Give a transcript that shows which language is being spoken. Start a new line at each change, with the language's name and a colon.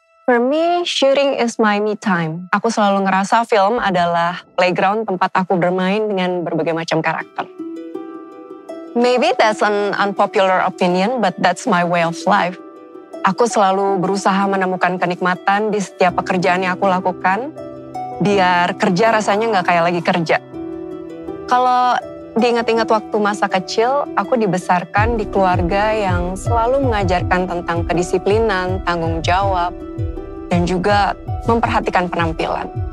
English: For me, shooting is my me time.
Indonesian: Aku selalu ngerasa film adalah playground tempat aku bermain dengan berbagai macam karakter.
English: Maybe that's an unpopular opinion, but that's my way of life.
Indonesian: Aku selalu berusaha menemukan kenikmatan di setiap pekerjaan yang aku lakukan, biar kerja rasanya nggak kayak lagi kerja. Kalau diingat-ingat waktu masa kecil, aku dibesarkan di keluarga yang selalu mengajarkan tentang kedisiplinan, tanggung jawab, dan juga memperhatikan penampilan.